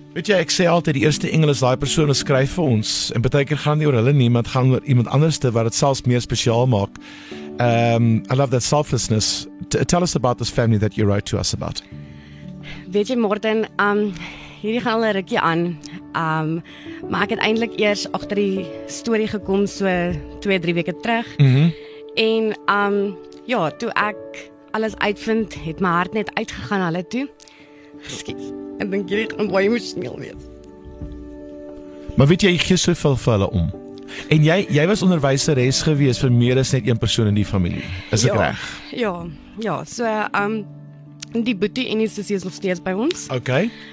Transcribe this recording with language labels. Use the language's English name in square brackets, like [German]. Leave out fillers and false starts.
[Afrikaans] Weet jy, ek sê altyd, die eerste engel is die persoon wat skryf vir ons. En baie keer gaan nie oor hulle nie, maar gaan oor iemand anderste wat het selfs meer spesiaal maak. [English] I love that selflessness. Tell us about this family that you wrote to us about. [Afrikaans] Weet jy, Martin, hierdie gaan al een rukkie aan. Maar ek het eindelijk eers achter die story gekom, so 2-3 weke terug. Mm-hmm. En ja, toe ek alles uitvind, het my hart net uitgegaan hulle toe. Excuse. En dink jy, gaan baie emotioneel wees. Maar weet jy, jy gee soveel vir hulle om. En jy was onderwijseres gewees vir meer as net een persoon in die familie. Is dit reg? Ja, ja. So, die boetie en die sussie is nog steeds by ons. Okay.